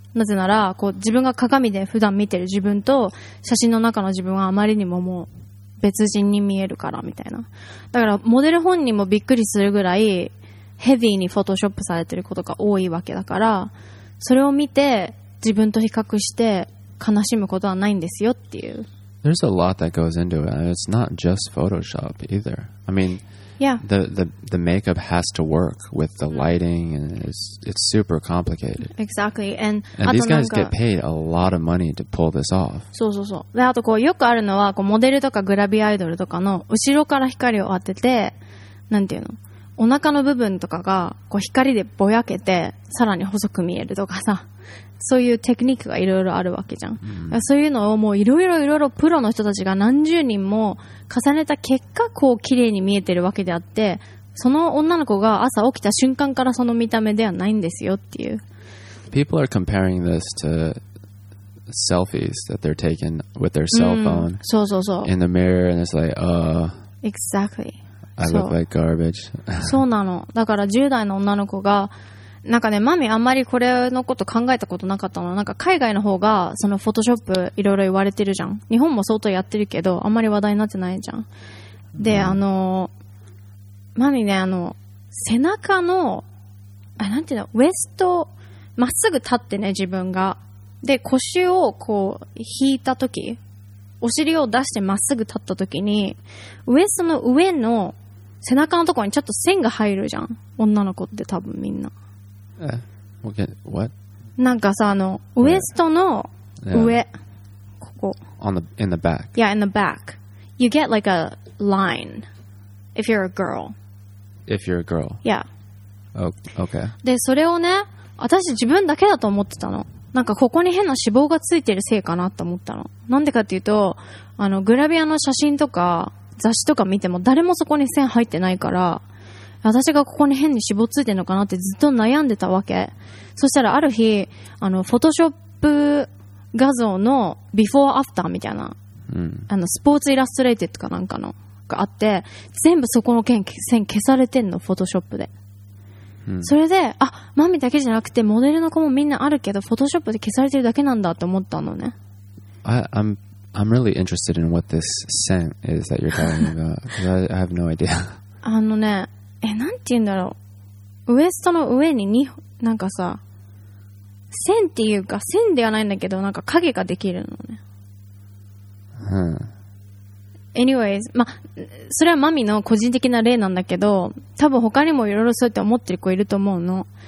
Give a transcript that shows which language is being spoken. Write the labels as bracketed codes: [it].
[ja] なぜならこう自分が鏡で普段見てる自分と写真の中の自分はあまりにももう別人に見えるからみたいな。だからモデル本人もびっくりするぐらいヘビーにフォトショップされてることが多いわけだから、それを見て自分と比較して悲しむことはないんですよっていう。 [en] There's a lot that goes into it. It's not just Photoshop either. I mean, the makeup has to work with the lighting and it's super complicated. Exactly. And these guys get paid a lot of money to pull this off. [ja] そうそうそう。で、あとこうよくあるのはこうモデルとかグラビアアイドルとかの後ろから光を当てて、なんていうの、お腹の部分とかがこう光でぼやけてさらに細く見えるとかさ。そういうテクニックがいろいろあるわけじゃん、mm-hmm. そういうのをもういろいろいろいろプロの人たちが何十人も重ねた結果こう綺麗に見えてるわけであってその女の子が朝起きた瞬間からその見た目ではないんですよっていう [en] People are comparing this to selfies that they're taking with their cell phone [ja] そうそうそう [en] in the mirror and it's like Exactly. I look like garbage. [ja] そうなの。だから10代の女の子が、なんかね、マミあんまりこれのこと考えたことなかったの。なんか海外の方がそのフォトショップいろいろ言われてるじゃん。日本も相当やってるけど、あんまり話題になってないじゃん。で、うん、マミね、背中の、なんていうの、ウエスト、まっすぐ立ってね、自分が。で、腰をこう引いたとき、お尻を出してまっすぐ立ったときに、ウエストの上の背中のところにちょっと線が入るじゃん。女の子って多分みんな。 [en] What? [ja] なんかさ、ウエストの上、yeah. ここ。 [en] On the, in the back. Yeah, in the back. You get like a line if you're a girl. If you're a girl. Yeah. Oh, okay. [ja] で、それをね、私自分だけだと思ってたの。なんかここに変な脂肪がついてるせいかなと思ったの。なんでかっていうと、グラビアの写真とか雑誌とか見ても誰もそこに線入ってないから、私がここに変に脂肪ついてるのかなってずっと悩んでたわけ。そしたらある日、フォトショップ画像のビフォーアフターみたいな、うん、スポーツイラストレーテッドかなんかのがあって、全部そこの線消されてんの、フォトショップで。それで、あ、マミだけじゃなくてモデルの子もみんなあるけど、フォトショップで消されてるだけなんだと思ったのね。 [en] I'm really interested in what this scent is that you're talking about. I have no idea. [ja] ね、なんて言うんだろう。ウエストの上に2、なんかさ、線っていうか、線ではないんだけど、なんか影ができるのね。 Anyways, それはマミの個人的な例なんだけど、多分他にもいろいろそうやって思ってる子いると思うの。